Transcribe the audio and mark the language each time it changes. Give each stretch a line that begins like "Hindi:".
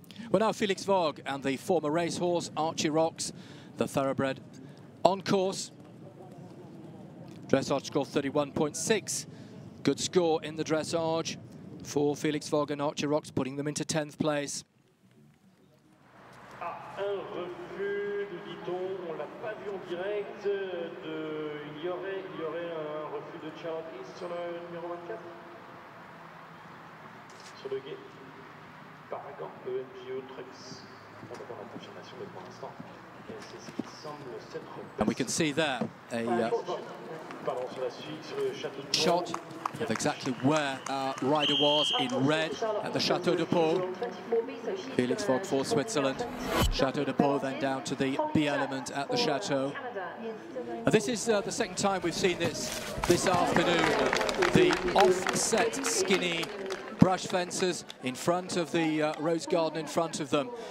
English: Well, now Felix Vogue and the former racehorse Archie Rocks, the thoroughbred, on course. Dressage score 31.6. Good score in the dressage for Felix Vogue and Archie Rocks, putting them into 10th place.
French: Un refus, nous dit-on, on l'a pas vu en direct, de... il y aurait un refus de Charlotte East sur le numéro 24. Sur le guet, Paragon, EMGO, Trux. On va voir la confirmation, mais pour l'instant, c'est ce qui semble s'être passé.
English: And we can see that a...
French: Pardon, sur la suite, sur le château de
English: Shot. Of exactly where our rider was in red at the Chateau de Pau. Felix Vogue for Switzerland. Chateau de Pau then down to the B element at the Chateau. This is the second time we've seen this afternoon. The offset skinny brush fences in front of the rose garden in front of them.